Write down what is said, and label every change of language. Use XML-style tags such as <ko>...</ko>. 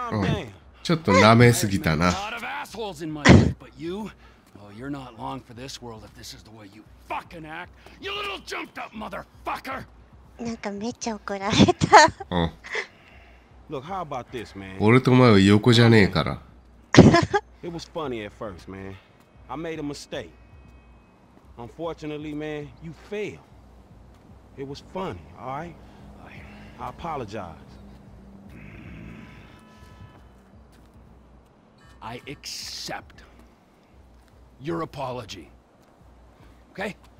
<ja>うん、ちょっと舐めすぎたな。</ja> <en>You're not long for this world if this is the way you fucking act. You little jumped up motherfucker.</en> <ja>なんかめっちゃ怒られた。</ja> <en>うん。Look, how about this, man?</en> <ja>俺とお前は横じゃねえから。</ja> <en>It was funny at first, man. I made a mistake. Unfortunately, man, you failed. It was funny, all right? I apologize. I accept your apology. Okay?</en>